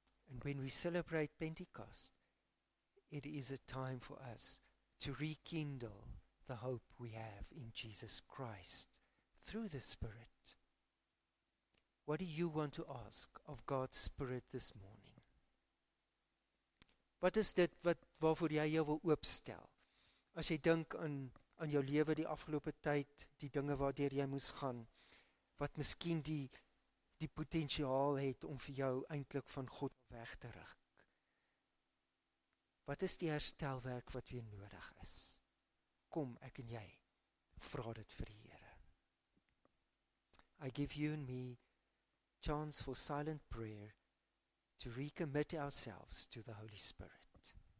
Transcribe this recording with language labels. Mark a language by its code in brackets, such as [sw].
[en] And when we celebrate Pentecost, it is a time for us to rekindle the hope we have in Jesus Christ through the Spirit. What do you want to ask of God's Spirit this morning? [af] Wat is dit wat waarvoor jy jou wil oopstel? As jy dink aan jou lewe die afgelope tyd, die dinge waardeur jy moes gaan, wat miskien die potensiaal het om vir jou eintlik van God weg te ruk. Wat is die herstelwerk wat weer nodig is? Kom, ek en jy, vra dit vir die Here. [en] I give you and me chance for silent prayer to recommit ourselves to the Holy Spirit.